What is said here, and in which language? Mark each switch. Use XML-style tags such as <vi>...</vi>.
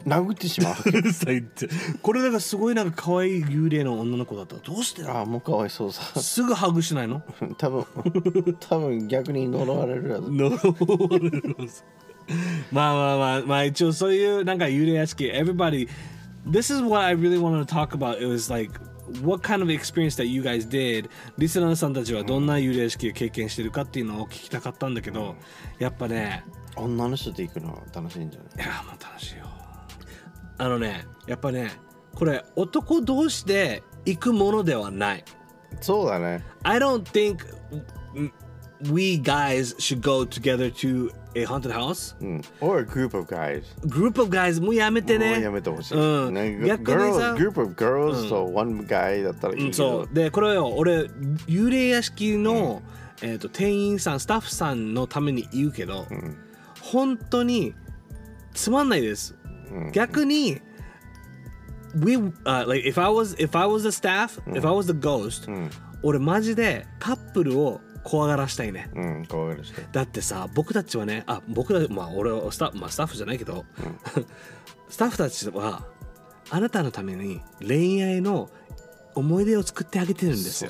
<ja>殴ってしまう。最低。これだからすごいなんか可愛い幽霊の女の子だった。どうして？ああ、もう可哀想さ。すぐハグしないの？多分逆に呪われるやつ。まあ一応そういうなんか幽霊屋敷。</ja> <en>Everybody, this is what I really wanted to talk about. It was like what kind of experience that you guys did.</en> <ja>リスナーさんたちはどんな幽霊屋敷を経験してるかっていうのを聞きたかったんだけど、うん、やっぱね。女の人と行くの楽しいんじゃない？いやもう楽しいよ。あのねやっぱねこれ男同士で行くものではない。そうだね。</ja> <en>I don't think we guys should go together to a haunted house、うん、or a group of guys。 group of guys</en> <ja>もうやめてね。もうやめてほしい、うん、</ja> <en>girls, group of girls と、うん、so、one guy</en> <ja>だったらいいけど、うん、そうでこれよ俺幽霊屋敷の、うん、店員さんスタッフさんのために言うけど、うん、本当につまんないです。逆に、</ja> <en>like if I was the staff、うん、if I was the ghost、</en> <ja>うん、俺マジでカップルを怖がらしたいね。うん、怖がらしたい。だってさ、僕たちはね、あ、僕たち、まあ俺はスタッフじゃないけど、うん、スタッフたちはあなたのために恋愛の思い出を作ってあげてるんですよ。</ja>